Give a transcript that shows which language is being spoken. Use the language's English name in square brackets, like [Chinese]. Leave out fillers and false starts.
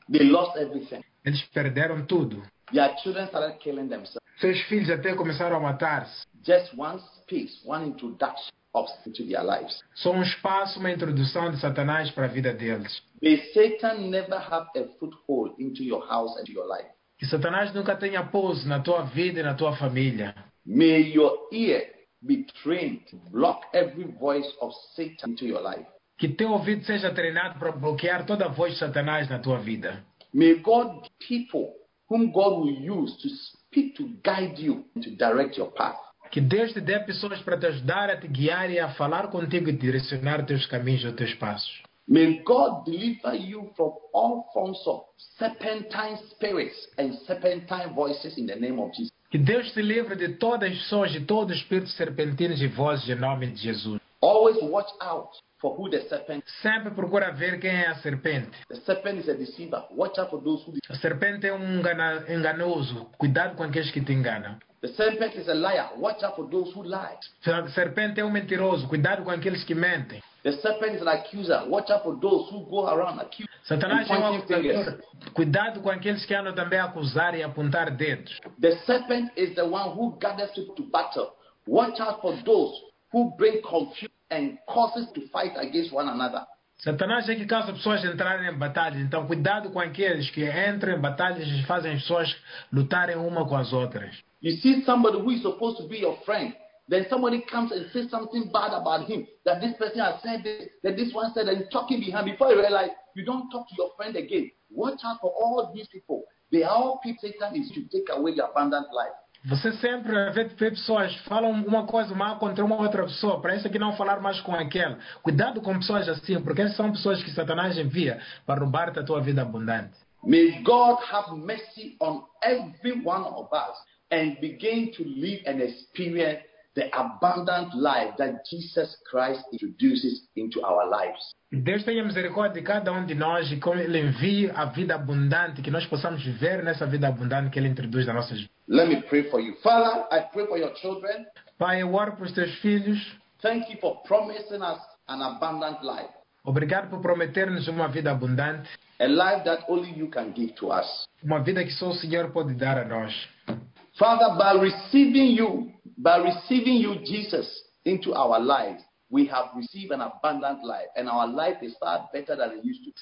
[English] They lost everything. [Portuguese] Eles perderam tudo. [English] Their children started killing themselves. [Portuguese] Seus filhos até começaram a matar-se. [English] Just one speech, one introduction. Into their lives. [Portuguese] Só um espaço, uma introdução de Satanás para a vida deles. [English] May Satan never have a foothold into your house and your life. [Portuguese] Que Satanás nunca tenha pouso na tua vida e na tua família. [English] May your ear be trained to block every voice of Satan into your life. [Portuguese] Que teu ouvido seja treinado para bloquear toda a voz de Satanás na tua vida. [English] May God people whom God will use to speak to guide you and to direct your path. [Portuguese] Que Deus te dê pessoas para te ajudar, a te guiar e a falar contigo e direcionar teus caminhos e teus passos. [English] May God deliver you from all forms of serpentine spirits and serpentine voices in the name of Jesus. [Portuguese] Que Deus te livre de todas as sons e todos os espíritos serpentinos e vozes em nome de Jesus. [English] Always watch out for who the serpent is. [Portuguese] Sempre procura ver quem é a serpente. [English] The serpent is a deceiver. Watch out for those who deceive. [Portuguese] A serpente é enganoso. Cuidado com aqueles que te enganam. [English] The serpent is a liar. Watch out for those who lie. [Portuguese] A serpente é mentiroso. Cuidado com aqueles que mentem. [English] The serpent is an accuser. Watch out for those who go around accusing. [Portuguese] Satanás é acusador. Cuidado com aqueles que andam também a acusar e apontar dedos. [English] The serpent is the one who gathers you to battle. Watch out for those who bring confusion and causes to fight against one another. [Portuguese] Satanás é que causa pessoas entrarem em batalhas. Então, cuidado com aqueles que entram em batalhas e fazem pessoas lutarem uma com as outras. [English] You see somebody who is supposed to be your friend, then somebody comes and says something bad about him, that this person has said this, that this one said, and talking behind, before you realize, you don't talk to your friend again. Watch out for all these people. They are all people Satan is to take away your abundant life. [Portuguese] Você sempre vê pessoas falam uma coisa mal contra uma outra pessoa, para isso aqui não falar mais com aquela. Cuidado com pessoas assim, porque essas são pessoas que Satanás envia para roubar a tua vida abundante. [English] May God have mercy on every one of us and begin to live and experience the abundant life that Jesus Christ introduces into our lives. [Portuguese] Deus tenha misericórdia de cada de nós e como Ele envia a vida abundante, que nós possamos viver nessa vida abundante que Ele introduz na nossa vida. [English] Let me pray for you. Father, I pray for your children. [Portuguese] Pai, eu oro para os teus filhos. [English] Thank you for promising us an abundant life. [Portuguese] Obrigado por prometer-nos uma vida abundante. [English] A life that only you can give to us. [Portuguese] Uma vida que só o Senhor pode dar a nós. [English] Father, by receiving you, Jesus, into our lives, we have received an abundant life, and our life is far better than it used to.